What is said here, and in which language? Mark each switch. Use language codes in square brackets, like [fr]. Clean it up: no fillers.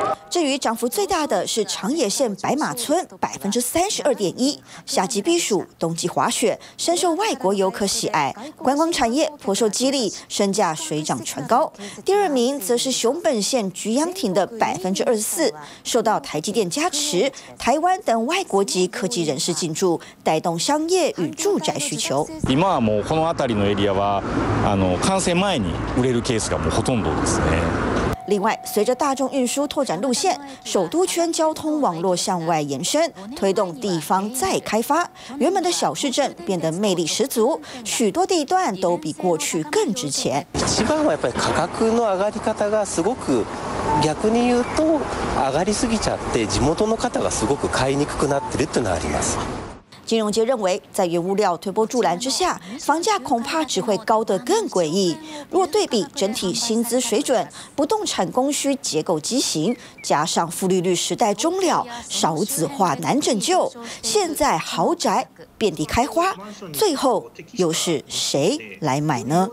[zh] 至于涨幅最大的是长野县白马村32.1%，夏季避暑、冬季滑雪，深受外国游客喜爱，观光产业颇受激励，身价水涨船高。第二名则是熊本县菊阳町的24%，受到台积电加持，台湾等外国籍科技人士进驻，带动商业与住宅需求。 [ja] 今はもうこの辺りのエリアは、完成前に売れるケースがもうほとんどですね。 [zh] 另外，随着大众运输拓展路线，首都圈交通网络向外延伸，推动地方再开发，原本的小市镇变得魅力十足，许多地段都比过去更值钱。 [ja] 一番はやっぱり価格の上がり方がすごく、逆に言うと上がりすぎちゃって地元の方がすごく買いにくくなってるっていうのはあります。 [zh] 金融界认为，在原物料推波助澜之下，房价恐怕只会高得更诡异。若对比整体薪资水准、不动产供需结构畸形，加上负利率时代终了，少子化难拯救，现在豪宅遍地开花，最后又是谁来买呢？